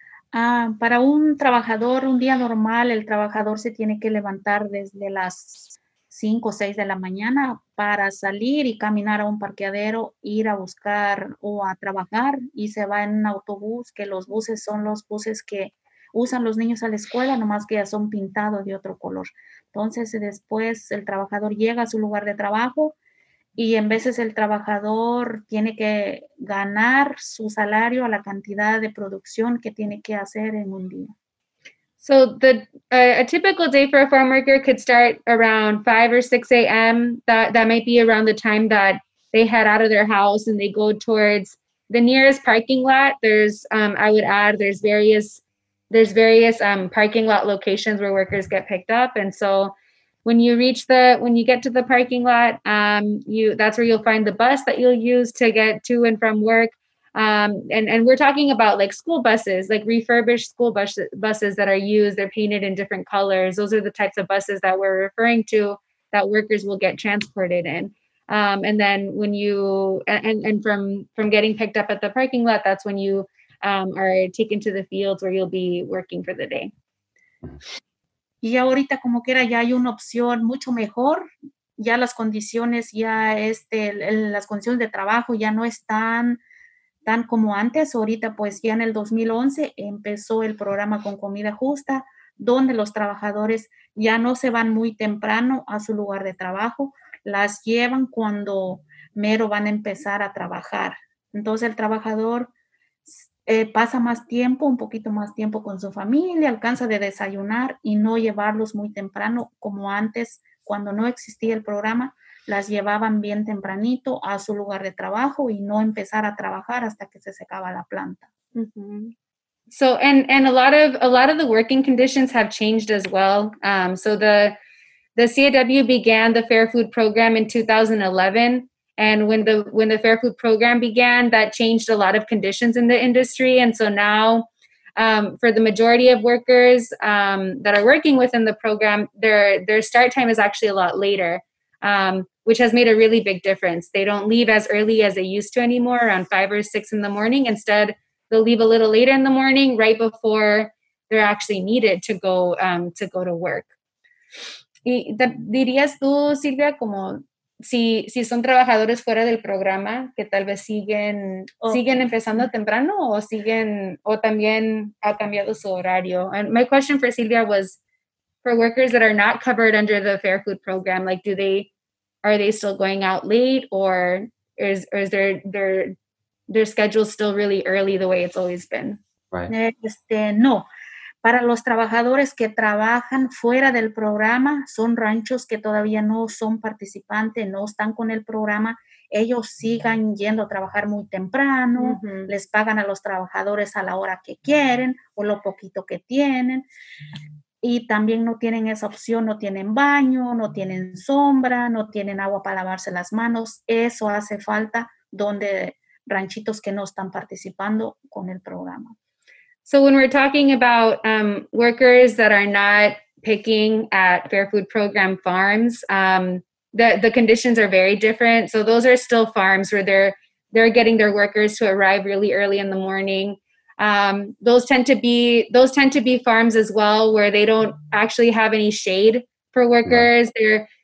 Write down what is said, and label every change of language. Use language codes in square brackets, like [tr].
[es] Para un trabajador, un día normal, el trabajador se tiene que levantar desde las 5 o 6 de la mañana para salir y caminar a un parqueadero, ir a buscar o a trabajar, y se va en un autobús, que los buses son los buses que usan los niños a la escuela, nomás que ya son pintados de otro color. Entonces, después el trabajador llega a su lugar de trabajo. Y en veces el trabajador tiene que ganar su salario a la cantidad de producción que tiene que hacer en un día. [en] So the a typical day for a farm worker could start around 5 or 6 a.m. That might be around the time that they head out of their house and they go towards the nearest parking lot. There's various parking lot locations where workers get picked up, and so When you get to the parking lot, that's where you'll find the bus that you'll use to get to and from work. And we're talking about, like, school buses, like refurbished school buses that are used. They're painted in different colors. Those are the types of buses that we're referring to that workers will get transported in. And from getting picked up at the parking lot, that's when you are taken to the fields where you'll be working for the day. [es] Y ahorita, como quiera, ya hay una opción mucho mejor. Ya las condiciones, ya las condiciones de trabajo ya no están tan como antes. Ahorita, pues, ya en el 2011 empezó el programa con comida justa, donde los trabajadores ya no se van muy temprano a su lugar de trabajo. Las llevan cuando mero van a empezar a trabajar. Entonces, el trabajador... pasa más tiempo, un poquito más tiempo con su familia, alcanza de desayunar y no llevarlos muy temprano como antes, cuando no existía el programa, las llevaban bien tempranito a su lugar de trabajo y no empezar a trabajar hasta que se secaba la planta. [en] So, and a lot of the working conditions have changed as well. So the CAW began the Fair Food Program in 2011. And when the Fair Food Program began, that changed a lot of conditions in the industry. And so now, for the majority of workers that are working within the program, their start time is actually a lot later, which has made a really big difference. They don't leave as early as they used to anymore, around 5 or 6 in the morning. Instead, they'll leave a little later in the morning, right before they're actually needed to go to work. [es] ¿Dirías tú, Silvia, como si son trabajadores fuera del programa, que tal vez siguen empezando temprano o también ha cambiado su horario? [en] And my question for Silvia was, for workers that are not covered under the Fair Food Program, like, are they still going out late, or is their schedule still really early the way it's always been? Right. [es] No. Para los trabajadores que trabajan fuera del programa, son ranchos que todavía no son participantes, no están con el programa, ellos siguen yendo a trabajar muy temprano, les pagan a los trabajadores a la hora que quieren o lo poquito que tienen. Y también no tienen esa opción, no tienen baño, no tienen sombra, no tienen agua para lavarse las manos. Eso hace falta donde ranchitos que no están participando con el programa. [en] So when we're talking about workers that are not picking at Fair Food Program farms, the conditions are very different. So those are still farms where they're getting their workers to arrive really early in the morning. Those tend to be farms as well where they don't actually have any shade for workers. No.